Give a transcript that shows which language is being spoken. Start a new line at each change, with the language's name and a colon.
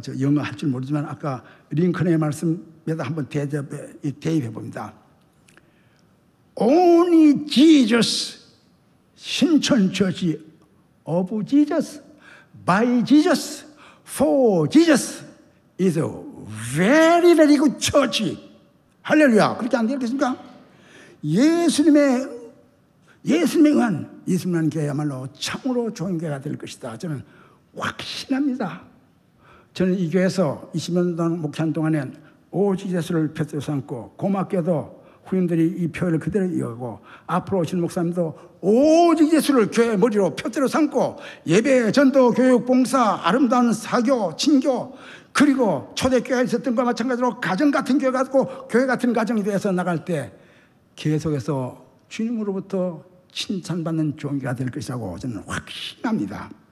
Korean: 저 영어 할 줄 모르지만 아까 링컨의 말씀에다 한번 대입해봅니다.
English: Only Jesus, 신천교지 of Jesus, by Jesus, for Jesus is a very, very good church.
Korean: 할렐루야. 그렇게 안 되겠습니까? 예수님에 의한 예수님이라는 교회야말로 참으로 좋은 교회가 될 것이다. 저는 확신합니다. 저는 이 교회에서 20년 동안 목회한 동안에 오직 예수를 표대로 삼고, 고맙게도 후임들이 이 표현을 그대로 이어가고, 앞으로 오신 목사님도 오직 예수를 교회의 머리로 표대로 삼고, 예배, 전도, 교육, 봉사, 아름다운 사교, 친교, 그리고 초대교회에 있었던 것과 마찬가지로 가정 같은 교회 같고 교회 같은 가정이 되어서 나갈 때 계속해서 주님으로부터 칭찬받는 좋은 교회가 될 것이라고 저는 확신합니다.